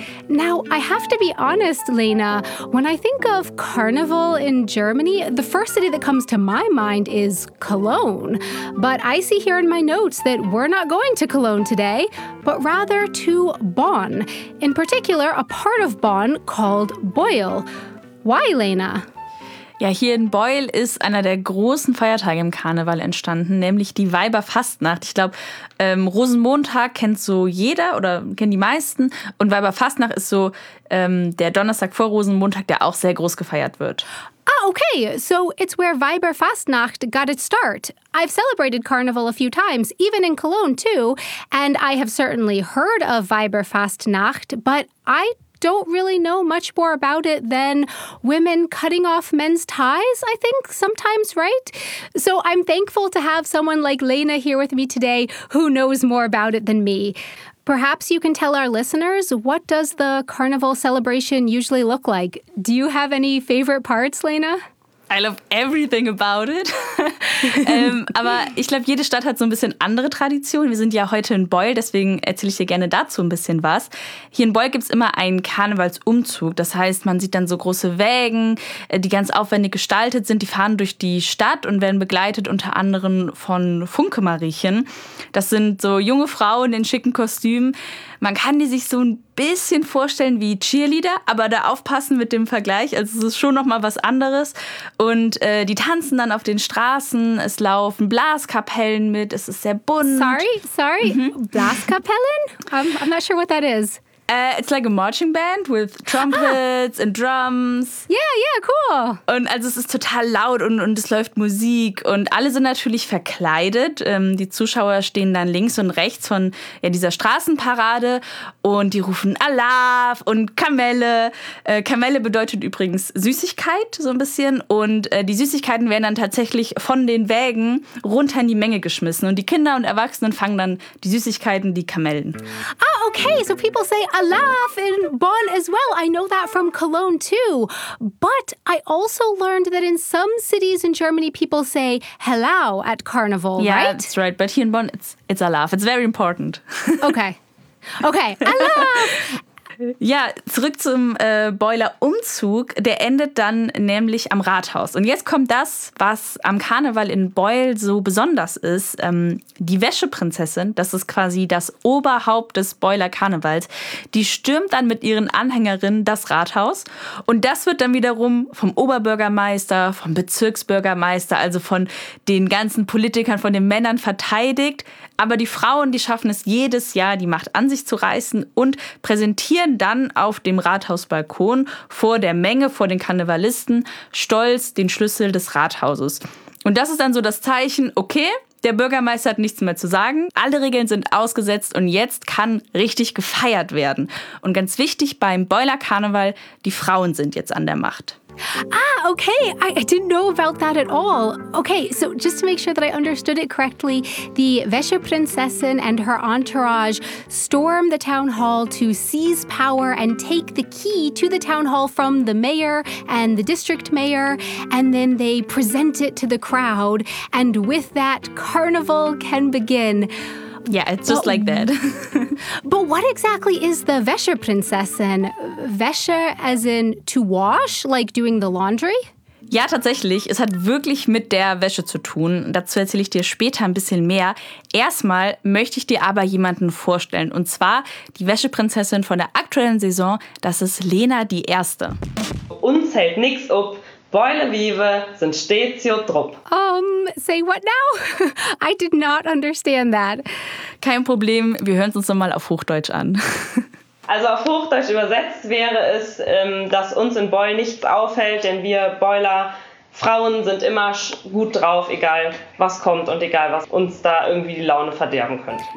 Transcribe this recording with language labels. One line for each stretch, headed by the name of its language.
English: Now, I have to be honest, Lena, when I think of carnival in Germany, the first city that comes to my mind is Cologne. But I see here in my notes that we're not going to Cologne today, but rather to Bonn. In particular, a part of Bonn called Beuel. Why, Lena?
German: Ja, hier in Beuel ist einer der großen Feiertage im Karneval entstanden, nämlich die Weiberfastnacht. Ich glaube, Rosenmontag kennt so jeder oder kennen die meisten. Und Weiberfastnacht ist so der Donnerstag vor Rosenmontag, der auch sehr groß gefeiert wird.
English: Ah, okay. So it's where Weiberfastnacht got its start. I've celebrated Carnival a few times, even in Cologne too. And I have certainly heard of Weiberfastnacht, but I don't really know much more about it than women cutting off men's ties, I think, sometimes, right? So I'm thankful to have someone like Lena here with me today who knows more about it than me. Perhaps you can tell our listeners, what does the carnival celebration usually look like? Do you have any favorite parts, Lena? I love everything about it.
German: aber ich glaube, jede Stadt hat so ein bisschen andere Traditionen. Wir sind ja heute in Beuel, deswegen erzähle ich dir gerne dazu ein bisschen was. Hier in Beuel gibt es immer einen Karnevalsumzug. Das heißt, man sieht dann so große Wägen, die ganz aufwendig gestaltet sind. Die fahren durch die Stadt und werden begleitet unter anderem von Funke-Mariechen. Das sind so junge Frauen in schicken Kostümen. Man kann die sich so ein bisschen vorstellen wie Cheerleader, aber da aufpassen mit dem Vergleich. Also es ist schon nochmal was anderes. Und die tanzen dann auf den Straßen, es laufen Blaskapellen mit, es ist sehr bunt.
English: Sorry? Mhm. Blaskapellen? I'm not sure what that is. It's like a marching band with trumpets and drums. Yeah, cool.
German: Und also es ist total laut und es läuft Musik und alle sind natürlich verkleidet. Die Zuschauer stehen dann links und rechts von dieser Straßenparade und die rufen Alaaf und Kamelle. Kamelle bedeutet übrigens Süßigkeit so ein bisschen und die Süßigkeiten werden dann tatsächlich von den Wägen runter in die Menge geschmissen und die Kinder und Erwachsenen fangen dann die Süßigkeiten, die Kamellen.
English: Ah, okay, so people say Alaaf in Bonn as well. I know that from Cologne too. But I also learned that in some cities in Germany, people say hello at carnival, yeah, right? Yeah, that's right. But here in Bonn, it's Alaaf. It's very important. Okay. Alaaf!
German: Ja, zurück zum Beuler-Umzug. Der endet dann nämlich am Rathaus. Und jetzt kommt das, was am Karneval in Beul so besonders ist. Die Wäscheprinzessin, das ist quasi das Oberhaupt des Beuler-Karnevals, die stürmt dann mit ihren Anhängerinnen das Rathaus. Und das wird dann wiederum vom Oberbürgermeister, vom Bezirksbürgermeister, also von den ganzen Politikern, von den Männern verteidigt. Aber die Frauen, die schaffen es jedes Jahr, die Macht an sich zu reißen und präsentieren dann auf dem Rathausbalkon vor der Menge, vor den Karnevalisten, stolz den Schlüssel des Rathauses. Und das ist dann so das Zeichen, okay, der Bürgermeister hat nichts mehr zu sagen, alle Regeln sind ausgesetzt und jetzt kann richtig gefeiert werden. Und ganz wichtig beim Beuler-Karneval, die Frauen sind jetzt an der Macht.
English: Ah, okay. I didn't know about that at all. Okay, so just to make sure that I understood it correctly, the Wäscheprinzessin and her entourage storm the town hall to seize power and take the key to the town hall from the mayor and the district mayor, and then they present it to the crowd, and with that, carnival can begin. Yeah, it's just like that. But what exactly is the Wäscheprinzessin? Wäsche as in to wash, like doing the laundry?
German: Ja, tatsächlich. Es hat wirklich mit der Wäsche zu tun. Dazu erzähle ich dir später ein bisschen mehr. Erstmal möchte ich dir aber jemanden vorstellen. Und zwar die Wäscheprinzessin von der aktuellen Saison. Das ist Lena die Erste.
Colognian: Uns hält nichts ob. Beule vive sind stets jo drop.
English: Say what now? I did not understand that.
German: Kein Problem, wir hören es uns nochmal auf Hochdeutsch an. Also auf Hochdeutsch übersetzt wäre es, dass uns in Beul nichts aufhält, denn wir Beuler, Frauen sind immer gut drauf, egal was kommt und egal was uns da irgendwie die Laune verderben könnte.